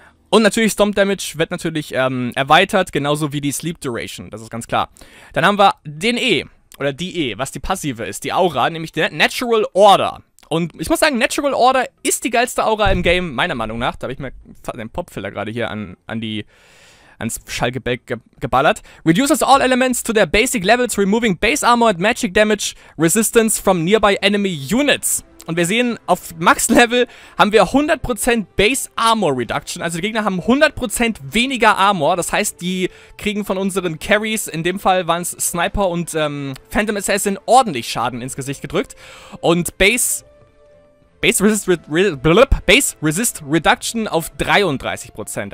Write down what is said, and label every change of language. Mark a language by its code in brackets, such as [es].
[de] Und natürlich Stomp Damage wird natürlich erweitert, genauso wie die Sleep Duration, das ist ganz klar. Dann haben wir den E, oder die E, was die Passive ist, die Aura, nämlich der Natural Order. Und ich muss sagen, Natural Order ist die geilste Aura im Game, meiner Meinung nach. Da habe ich mir den Popfiller gerade hier ans Schallgebäck geballert. [en] Reduces all elements to their basic levels, removing base armor and magic damage resistance from nearby enemy units. [de] Und wir sehen, auf Max-Level haben wir 100% Base-Armor-Reduction. Also die Gegner haben 100% weniger Armor. Das heißt, die kriegen von unseren Carries, in dem Fall waren es Sniper und Phantom Assassin, ordentlich Schaden ins Gesicht gedrückt. Und Base-Resist-Reduction auf 33%.